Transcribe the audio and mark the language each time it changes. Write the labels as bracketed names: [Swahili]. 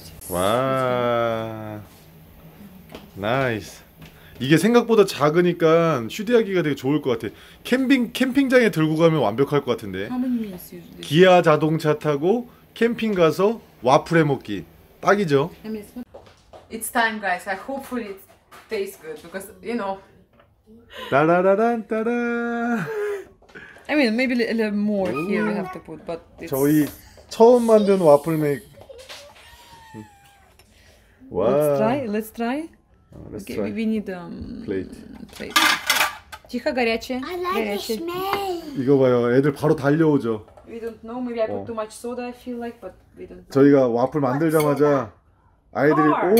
[Korean] 와, 나이스. 이게 생각보다 작으니까 휴대하기가 되게 좋을 것 같아. 캠핑장에 들고 가면 완벽할 것 같은데. [English] How many minutes you do this? [Korean] 기아 자동차 타고 캠핑 가서 와플 해 먹기. 딱이죠. [English] It's time, guys. I hopefully it tastes good because you know. 따라라란 따라. I mean, maybe a little more here we have to put, but it's. [Korean] 저희 처음 만든 와플 메이커. [English] Let's try. Let's try. Let's Okay, try. we need Plate. plate. 치카 I like the smell. [Korean] 이거 봐요. 애들 바로 달려오죠. [English] We don't know. Maybe I put too much soda. I feel like, but we don't. [Korean] 저희가 와플 만들자마자 아이들이 오 car.